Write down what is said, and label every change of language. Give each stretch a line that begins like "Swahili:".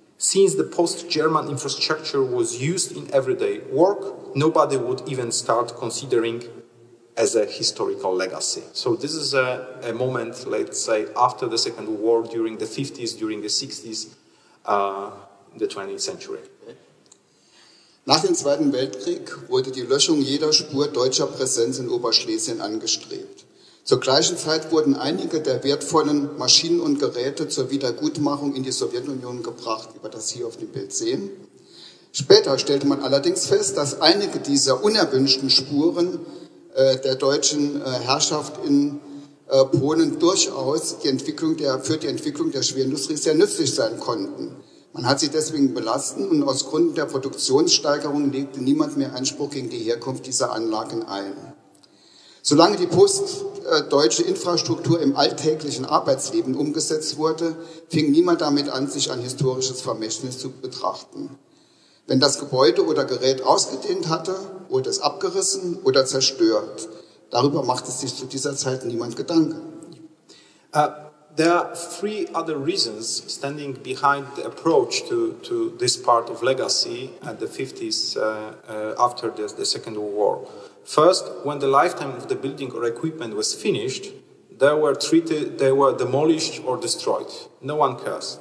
English: Since the post-German infrastructure was used in everyday work, nobody would even start considering as a historical legacy. So this is a moment, let's say, after the Second War, during the 50s, during the 60s, the 20th century.
German: Nach dem Zweiten Weltkrieg wurde die Löschung jeder Spur deutscher Präsenz in Oberschlesien angestrebt. Zur gleichen Zeit wurden einige der wertvollen Maschinen und Geräte zur Wiedergutmachung in die Sowjetunion gebracht, über das Sie hier auf dem Bild sehen. Später stellte man allerdings fest, dass einige dieser unerwünschten Spuren der deutschen Herrschaft in Polen durchaus für die Entwicklung der Schwerindustrie sehr nützlich sein konnten. Man hat sie deswegen belassen und aus Gründen der Produktionssteigerung legte niemand mehr Einspruch gegen die Herkunft dieser Anlagen ein. Solange die postdeutsche Infrastruktur im alltäglichen Arbeitsleben umgesetzt wurde, fing niemand damit an, sich ein historisches Vermächtnis zu betrachten. Wenn das Gebäude oder Gerät ausgedehnt hatte, wurde es abgerissen oder zerstört. Darüber machte sich zu dieser Zeit niemand Gedanken.
English: There are three other reasons standing behind the approach to this part of legacy at the 50s after the Second World War. First, when the lifetime of the building or equipment was finished, they were demolished or destroyed. No one cares.